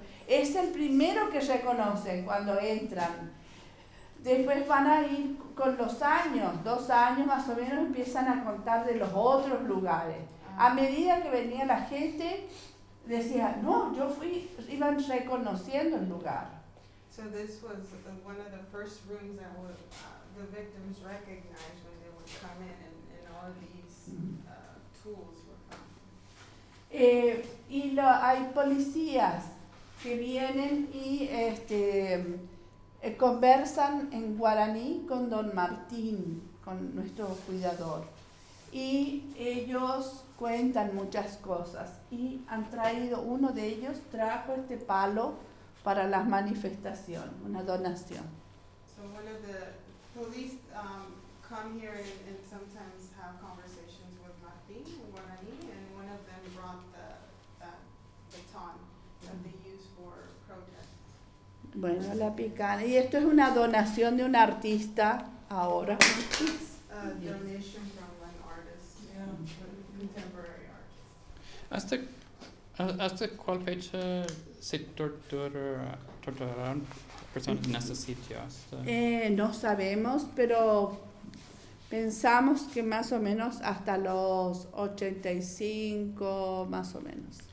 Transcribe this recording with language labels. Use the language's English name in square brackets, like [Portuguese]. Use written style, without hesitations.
[Spanish] Es el primero que reconocen cuando entran. Después van a ir con los años, 2 años más o menos, empiezan a contar de los otros lugares. A medida que venía la gente, decía, no, yo fui, iban reconociendo el lugar. [English] So this was one of the first rooms that were, the victims recognized when they would come in, and all of these tools were found. [Spanish] Hay policías que vienen y conversan en guaraní con Don Martín, con nuestro cuidador, y ellos cuentan muchas cosas. Y han traído, uno de ellos trajo este palo para la manifestación, una donación. [English] So one of the police come here and sometimes have conversations with Martín, guaraní, and one of them brought the baton that they use for protest. [Spanish] Bueno, la picana. Y esto es una donación de un artista ahora. [English] Donation from an artist, contemporary artist. [Spanish] ¿Hasta cuál fecha se torturaron personas en ese sitio? No sabemos, pero pensamos que más o menos hasta los 85, más o menos.